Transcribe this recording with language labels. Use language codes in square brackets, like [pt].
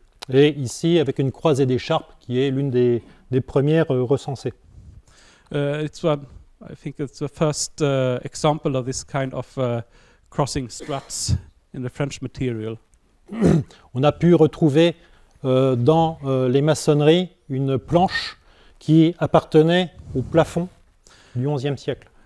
[fr] Et ici, avec une croisée d'écharpes qui est l'une des premières recensées. [en] It's one, I think it's the first example of this kind of crossing struts in the French material. [fr] On a pu retrouver dans les maçonneries une planche qui appartenait au plafond du XIe siècle.